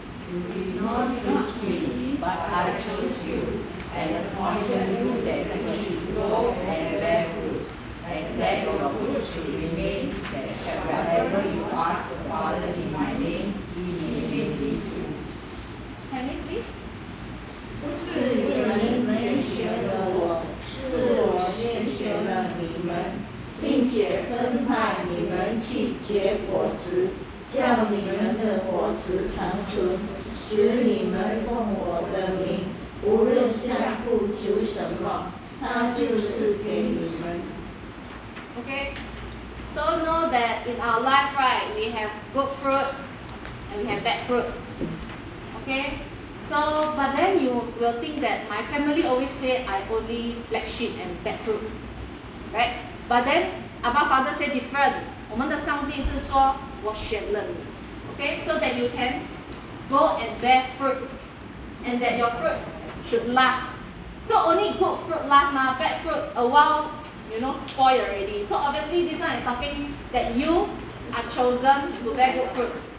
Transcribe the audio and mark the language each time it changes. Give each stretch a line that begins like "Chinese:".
English: You did not choose me, but I chose you, and appointed you that you should go and bear fruit, and that your fruit should remain, that whatever you ask the Father in my name, he may give me to. Can you please?
Chinese: 不是你们先选了我，是我先选了你们。并且分派你们去结果子，叫你们的果子长存，使你们奉我的名，无论向父求什么，他就是给你们。
English: Okay, so know that in our life, right, we have good fruit and we have bad fruit. Okay, so but then you will think that my family always say I only black sheep and bad fruit, right? But then, Abba Father said different.
Chinese: 我们的上帝是说，我选了你。
English: Okay, so that you can go and bear fruit. And that your fruit should last. So only good fruit lasts, mah. Bad fruit, a while, you know, spoil already. So obviously, this one is talking that you are chosen to bear good fruits.